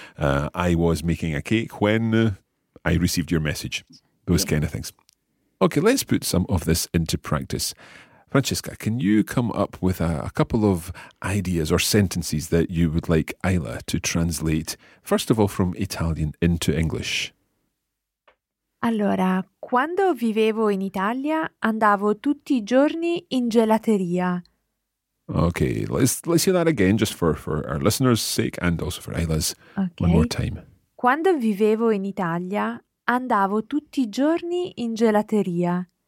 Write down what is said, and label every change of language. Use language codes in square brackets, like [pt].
[en] I was making a cake when I received your message. Those kind of things. Okay, let's put some of this into practice. Francesca, can you come up with a couple of ideas or sentences that you would like Isla to translate, first of all, from Italian into English? [it] Allora, quando vivevo in Italia, andavo tutti I giorni in gelateria. [en] Okay, let's hear that again, just for our listeners' sake and also for Isla's. Okay. One more time. [it] Quando vivevo in Italia, andavo tutti I giorni in gelateria.